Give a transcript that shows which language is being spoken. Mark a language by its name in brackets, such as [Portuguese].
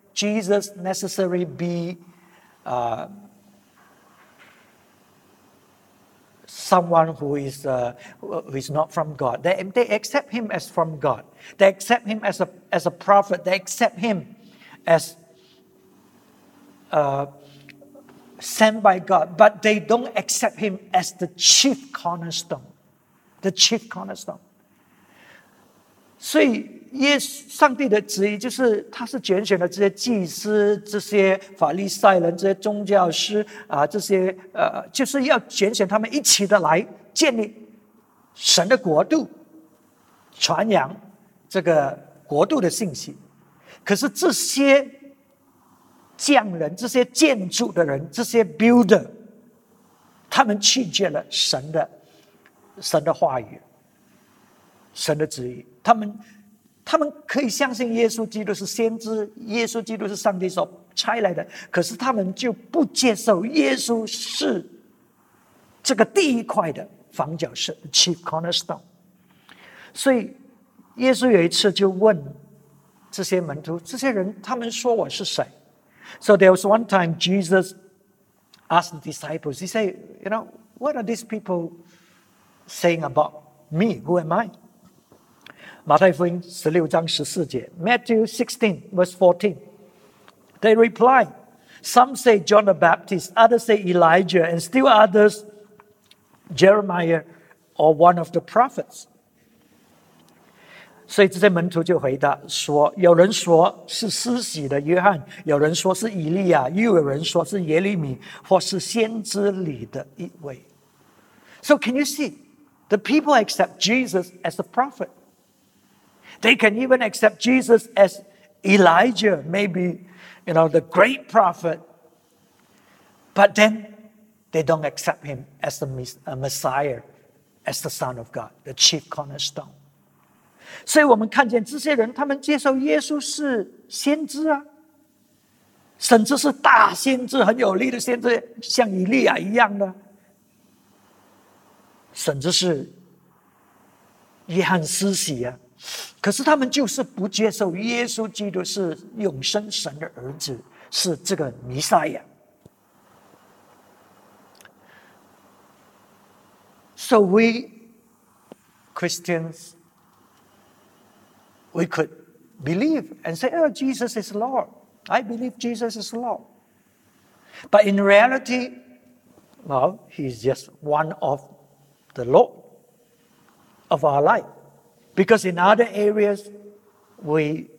[English] Jesus necessarily be someone who is not from God. They accept him as from God. They accept him as a prophet. They accept him as sent by God. But they don't accept him as the chief cornerstone. The chief cornerstone. [Chinese] 所以耶稣上帝的旨意就是他是拣选了这些祭司，这些法利赛人，这些宗教师这些就是要拣选他们一起的来建立神的国度，传扬这个国度的信息。可是这些匠人，这些建筑的人，这些 builder， 他们拒绝了神的话语，神的旨意。他们可以相信耶稣基督是先知，耶稣基督是上帝所差来的，可是他们就不接受耶稣是这个第一块的房角石 chief cornerstone。所以耶稣有一次就问这些门徒，这些人他们说我是谁？ [English] So there was one time Jesus asked the disciples, he said, you know, what are these people saying about me? Who am I? [Chinese] 马太福音十六章十四节 [English] Matthew 16 verse 14 They replied, Some say John the Baptist, others say Elijah, and still others Jeremiah or one of the prophets. [Chinese] 所以这些门徒就回答说，有人说是施洗的约翰，有人说是以利亚，又有人说是耶利米，或是先知里的一位。 [English] So can you see, the people accept Jesus as a prophet. They can even accept Jesus as Elijah, maybe, you know, the great prophet. But then they don't accept him as a Messiah, as the Son of God, the chief cornerstone. [Chinese] 所以我们看见这些人，他们接受耶稣是先知啊，甚至是大先知，很有力的先知，像以利亚一样的，甚至是约翰施洗啊。可是他们就是不接受耶稣基督是永生神的儿子，是这个弥赛亚。 [English] So we Christians, we could believe and say, "Oh, Jesus is Lord. I believe Jesus is Lord." But in reality, well, he's just one of the Lord of our life.Because in other areas, we